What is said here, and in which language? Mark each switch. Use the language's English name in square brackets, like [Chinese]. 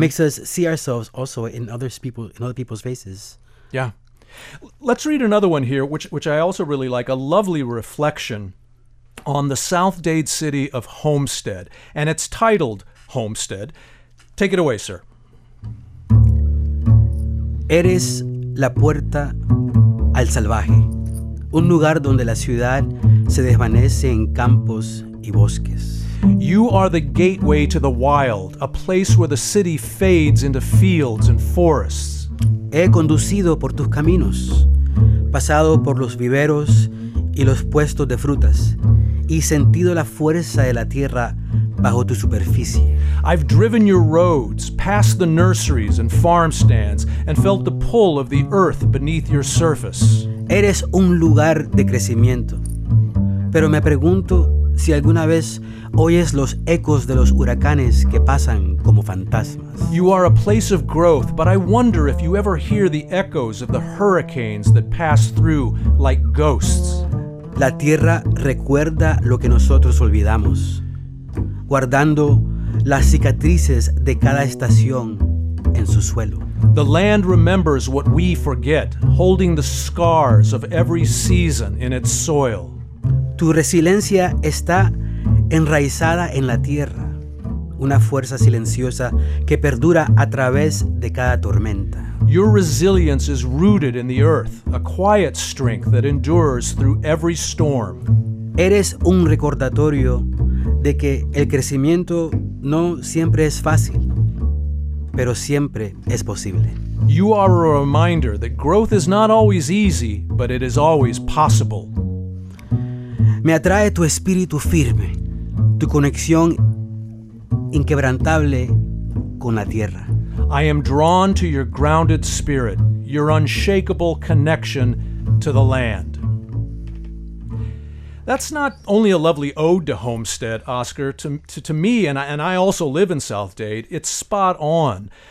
[English] makes us see ourselves also in other people's faces. Yeah. Let's read another one here, which I also really like, a lovely reflection on the South Dade city of Homestead, and it's titled Homestead. Take it away, sir. [Spanish] Eres la puerta al salvaje, un lugar donde la ciudad se desvanece en campos y bosques. [English] You are the gateway to the wild, a place where the city fades into fields and forests. [Spanish] He conducido por tus caminos, pasado por los viveros y los puestos de frutas, y sentido la fuerza de la tierra bajo tu superficie. [English] I've driven your roads, past the nurseries and farm stands, and felt the pull of the earth beneath your surface. [Spanish] Eres un lugar de crecimiento, pero me pregunto si alguna vez oyes los ecos de los huracanes que pasan como fantasmas. [English] You are a place of growth, but I wonder if you ever hear the echoes of the hurricanes that pass through like ghosts. [Spanish] La tierra recuerda lo que nosotros olvidamos, guardando las cicatrices de cada estación en su suelo. [English] The land remembers what we forget, holding the scars of every season in its soil. [Spanish] Tu resiliencia está enraizada en la tierra, una fuerza silenciosa que perdura a través de cada tormenta. [English] Your resilience is rooted in the earth, a quiet strength that endures through every storm. [Spanish] Eres un recordatorio de que el crecimiento no siempre es fácil, pero siempre es posible. [English] You are a reminder that growth is not always easy, but it is always possible. [Spanish] Me atrae tu espíritu firme, tu conexión inquebrantable con la tierra. [English] I am drawn to your grounded spirit, your unshakable connection to the land. That's not only a lovely ode to Homestead, Oscar. To me, and I also live in South Dade, it's spot on.